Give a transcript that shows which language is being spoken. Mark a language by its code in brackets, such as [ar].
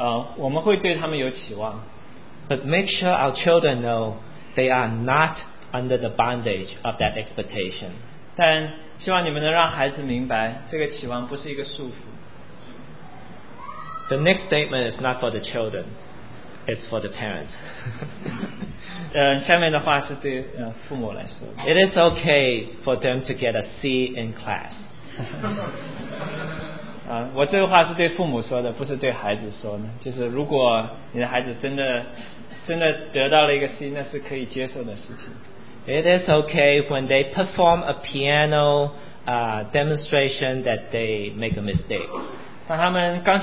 [zh] 所以我对父母有一个呼吁，就是我们会对他们有期望。 [en] But make sure our children know they are not under the bondage of that expectation. [zh] 但希望你们能让孩子明白，这个期望不是一个束缚。 [en] The next statement is not for the children, it's for the parents. [zh] 下面的话是对父母来说。 [en] It is okay for them to get a C in class. [zh] 我这个话是对父母说的，不是对孩子说的。就是如果你的孩子真的得到了一个C，那是可以接受的事情。 [en] It is okay when they perform a piano demonstration that they make a mistake.